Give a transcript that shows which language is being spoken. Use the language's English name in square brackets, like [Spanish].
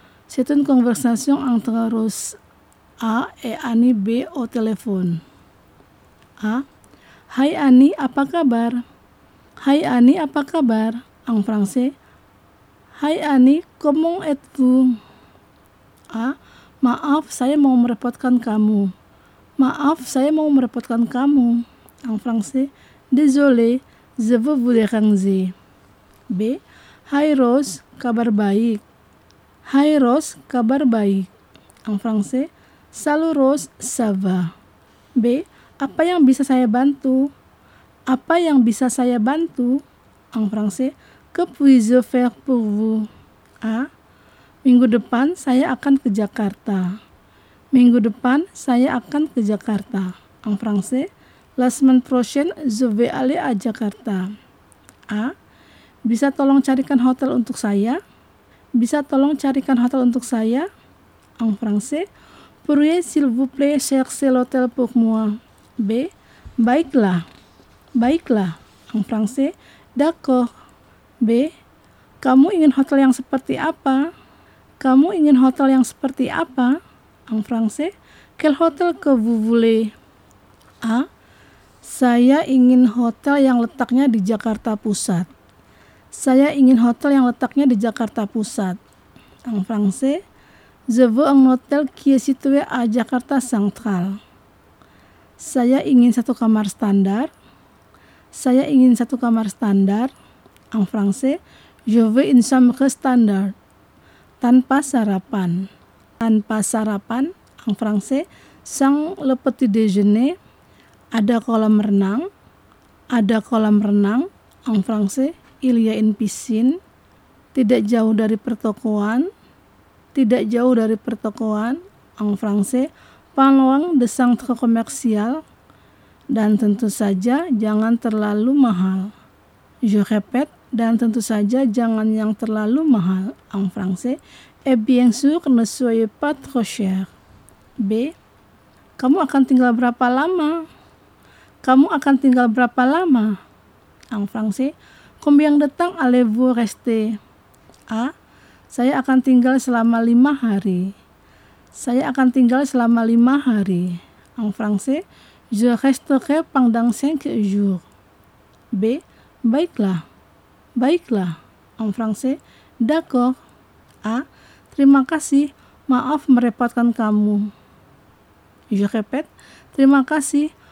[French] C'est une conversation entre Rose A et Annie B au téléphone. [Indonesian] A. Hai Annie, apa kabar? Hai Annie, apa kabar? [French] En français. Hai Annie, comment êtes-vous? A. [Indonesian] Maaf, saya mau merepotkan kamu. Maaf, saya mau merepotkan kamu. [French] En français. Désolé. Je veux vous déranger. B. [Indonesian] Hi Rose, kabar baik. Hi Rose, kabar baik. [French] En français. Salut Rose, ça va. B. [Indonesian] Apa yang bisa saya bantu? Apa yang bisa saya bantu? [French] En français. Que puis-je faire pour vous? A. [Indonesian] Minggu depan saya akan ke Jakarta. Minggu depan saya akan ke Jakarta. [French] En français. La semaine prochaine, je vais aller à Jakarta. [Indonesian] A. Bisa tolong carikan hotel untuk saya? Bisa tolong carikan hotel untuk saya? [French] En français. Pourriez s'il vous plaît chercher l'hôtel pour moi? B. [Indonesian] Baiklah. Baiklah. [French] En français. D'accord. B. [Indonesian] Kamu ingin hotel yang seperti apa? Kamu ingin hotel yang seperti apa? [French] En français. Quel hôtel que vous voulez? [Indonesian] A. Saya ingin hotel yang letaknya di Jakarta Pusat. Saya ingin hotel yang letaknya di Jakarta Pusat. [French] En français, je veux un hôtel qui est situé à Jakarta Central. [Indonesian] Saya ingin satu kamar standar. Saya ingin satu kamar standar. [French] En français, je veux une chambre standard. [Indonesian] Tanpa sarapan. Tanpa sarapan. [French] En français, sans le petit déjeuner. [Indonesian] Ada kolam renang, [French] en français, il y a une piscine, [Indonesian] tidak jauh dari pertokoan, [French] en français, pas loin de centre commercial, [Indonesian] dan tentu saja jangan terlalu mahal. [French] Je répète, [Indonesian] dan tentu saja jangan yang terlalu mahal, [French] en français, et bien sûr, ne soyez pas trop cher. B. [Indonesian] Kamu akan tinggal berapa lama? Kamu akan tinggal berapa lama? [French] En français, combien de temps allez-vous rester? A. [Indonesian] Saya akan tinggal selama 5 hari. Saya akan tinggal selama 5 hari. [French] En français, je resterai pendant 5 jours. [Indonesian] B. Baiklah. Baiklah. [French] En français, d'accord. [Indonesian] A. Terima kasih. Maaf merepotkan kamu. [French] Je répète. [Indonesian] Terima kasih.